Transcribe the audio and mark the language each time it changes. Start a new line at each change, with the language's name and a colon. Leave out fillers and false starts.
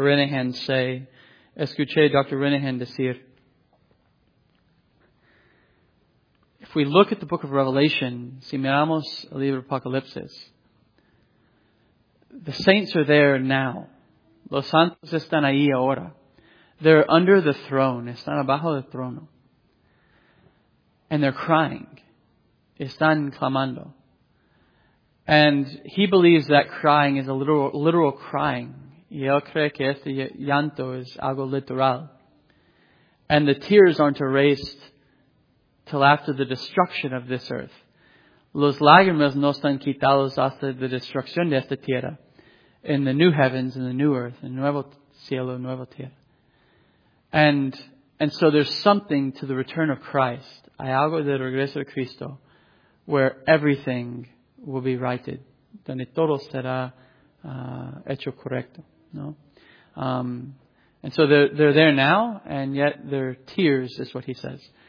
English: Renahan say,
Spanish: escuché Dr. Renahan decir,
English: if we look at the book of Revelation,
Spanish: si miramos el libro de Apocalipsis,
English: the saints are there now.
Spanish: Los santos están ahí ahora.
English: They're under the throne.
Spanish: Están abajo del trono.
English: And they're crying.
Spanish: Están clamando.
English: And he believes that crying is a literal crying.
Spanish: Y él cree que este llanto es algo literal.
English: And the tears aren't erased till after the destruction of this earth.
Spanish: Los lágrimas no están quitados hasta la destrucción de esta tierra.
English: In the new heavens, in the new earth, in
Spanish: nuevo cielo, nueva tierra.
English: And so there's something to the return of Christ.
Spanish: Hay algo del regreso de Cristo,
English: where everything will be righted.
Spanish: Donde todo será hecho correcto. No?
English: And so they're there now, and yet there are tears, is what he says.